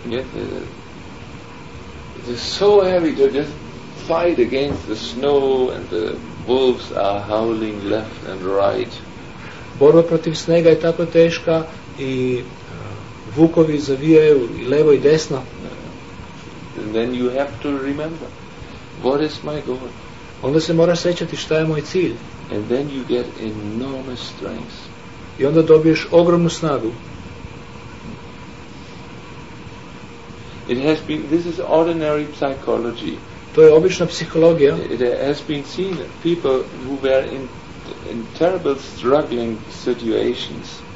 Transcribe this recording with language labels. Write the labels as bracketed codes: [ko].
[en] It is so heavy to just fight against the snow and the wolves are howling left and right. [sr] Borba protiv snega je tako teška i vukovi zavijaju i levo i desno. [en] And then you have to remember what is my goal. [sr] Onda se moraš sećati šta je moj cilj. [en] And then you get enormous strength. [sr] I onda dobiješ ogromnu snagu. [en] It has been, this is ordinary psychology. [sr] To je obična psihologija. [en] It has been seen that people who were in terrible struggling situations.